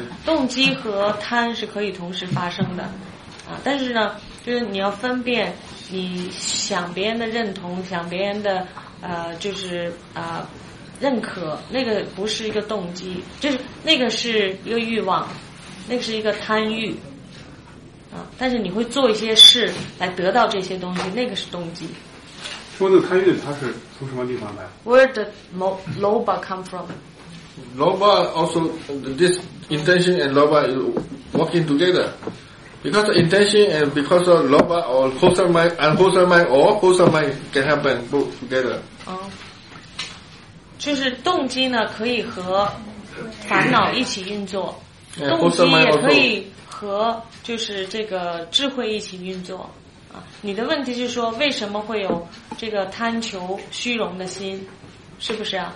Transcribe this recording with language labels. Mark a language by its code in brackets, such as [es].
[zh] 动机和贪是可以同时发生的，啊，但是呢，就是你要分辨，你想别人的认同，想别人的就是认可，那个不是一个动机，就是那个是一个欲望，那个是一个贪欲，啊，但是你会做一些事来得到这些东西，那个是动机。说的贪欲，它是从什么地方来 [en] ？Where the loba come from? Loba also this intention and loba is working together, because intention and because of loba or wholesome mind and unwholesome mind or wholesome mind can happen both together. [zh] 就是动机呢可以和烦恼一起运作，动机也可以和就是这个智慧一起运作。你的问题就是说，为什么会有这个贪求虚荣的心，是不是啊？